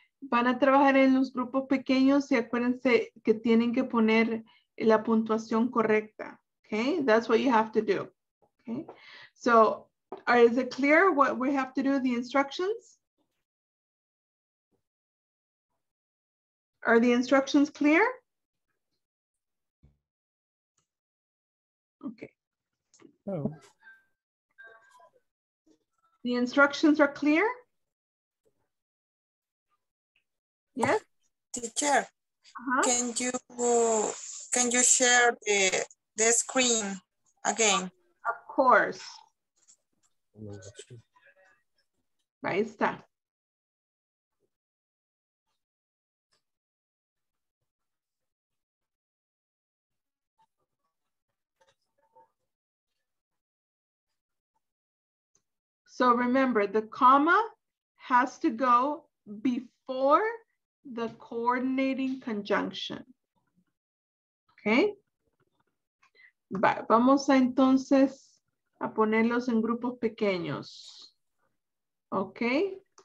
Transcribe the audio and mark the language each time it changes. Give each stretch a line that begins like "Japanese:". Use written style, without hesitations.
Spanish: Van a trabajar en los grupos pequeños y acuérdense que tienen que poner la puntuación correcta.
English: Okay, that's what you have to do. Okay, so is it clear what we have to do, the instructions? Are the instructions clear? Okay. Oh. The instructions are clear? Yes? Teacher, can you share the screen again? Of course.
Spanish: Ahí está.
English: So remember, the comma has to go before the coordinating conjunction. Okay?
Spanish: Va, vamos a entonces a ponerlos en grupos pequeños. Okay?